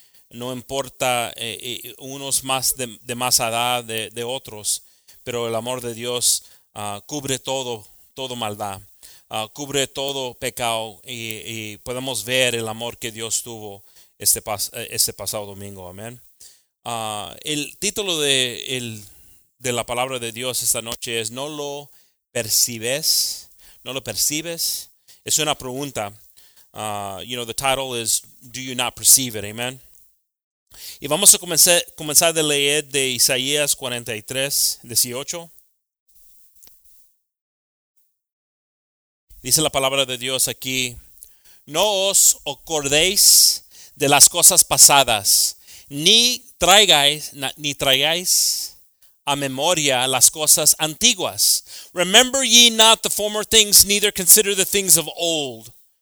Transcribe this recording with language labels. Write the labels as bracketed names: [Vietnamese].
[Spanish] No importa unos más de más edad de otros, pero el amor de Dios cubre todo maldad, cubre todo pecado, y podemos ver el amor que Dios tuvo este pasado domingo. Amén. El título de la palabra de Dios esta noche es ¿No lo percibes? ¿No lo percibes? Es una pregunta. [English] You know, the title is Do You Not Perceive It? Amen. [Spanish] Y vamos a comenzar de leer de Isaías 43, 18. Dice la palabra de Dios aquí: No os acordéis de las cosas pasadas, ni traigáis a memoria las cosas antiguas. [English] Remember ye not the former things, neither consider the things of old.